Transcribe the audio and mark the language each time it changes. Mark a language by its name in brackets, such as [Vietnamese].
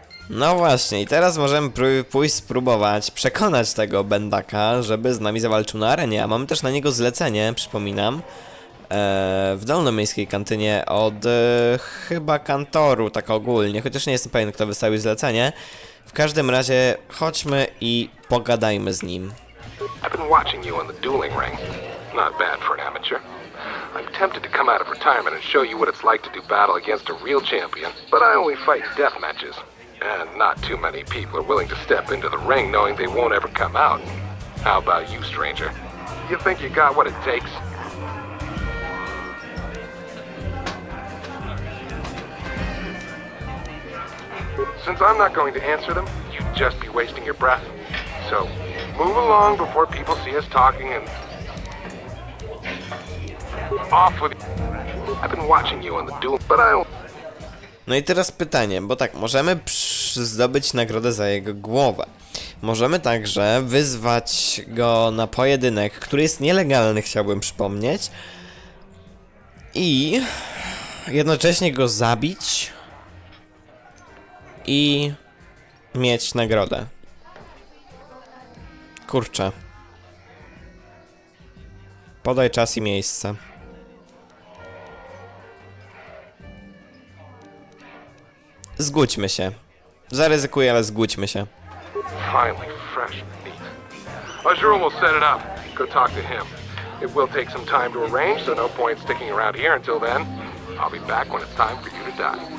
[Polish] No właśnie, i teraz możemy spróbować przekonać tego Bendaka, żeby z nami zawalczył na arenie. A mamy też na niego zlecenie, przypominam. W dolnomiejskiej kantynie od chyba kantoru, tak ogólnie, chociaż nie jestem pewien, kto wystawił zlecenie. W każdym razie chodźmy i pogadajmy z nim. [English] I've been watching you in the dueling ring. Not bad for an amateur. I'm tempted to come out of retirement and show you what it's like to do battle against a real champion, but I only fight death matches. And not too many people are willing to step into the ring knowing they won't ever come out. How about you, stranger? You think you got what it takes? Since I'm not going to answer them, you'd just be wasting your breath. So, move along before people see us talking and... Off with you. I've been watching you on the duel, but I don't... [Polish] No i teraz pytanie, bo tak, możemy zdobyć nagrodę za jego głowę. Możemy także wyzwać go na pojedynek, który jest nielegalny, chciałbym przypomnieć. I jednocześnie go zabić. I mieć nagrodę. Kurczę. Podaj czas i miejsce. Zgódźmy się. Zaryzykuję, ale zgódźmy się. [English] Finally fresh meat. Azure will set it up. Go talk to him. It will take some time to arrange, so no point sticking around here until then. I'll be back when it's time for you to die.